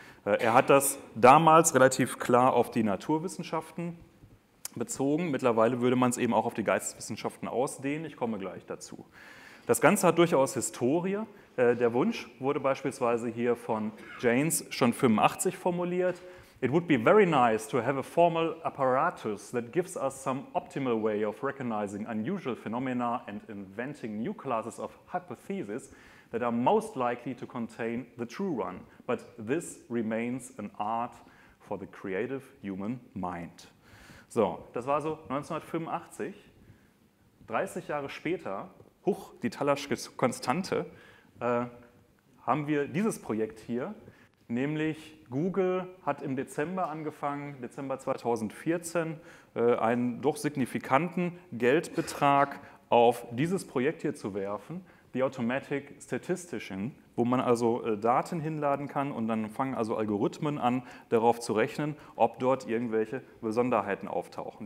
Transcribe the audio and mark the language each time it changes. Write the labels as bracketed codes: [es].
[de] Er hat das damals relativ klar auf die Naturwissenschaften bezogen. Mittlerweile würde man es eben auch auf die Geisteswissenschaften ausdehnen. Ich komme gleich dazu. Das Ganze hat durchaus Historie. Der Wunsch wurde beispielsweise hier von Jaynes schon 85 formuliert. [en] It would be very nice to have a formal apparatus that gives us some optimal way of recognizing unusual phenomena and inventing new classes of hypotheses that are most likely to contain the true one. But this remains an art for the creative human mind. [de] So, das war so 1985. 30 Jahre später, huch, die Thalersche Konstante, haben wir dieses Projekt hier, nämlich Google hat im Dezember angefangen, Dezember 2014, einen doch signifikanten Geldbetrag auf dieses Projekt hier zu werfen, die Automatic Statistician, wo man also Daten hinladen kann und dann fangen also Algorithmen an, darauf zu rechnen, ob dort irgendwelche Besonderheiten auftauchen.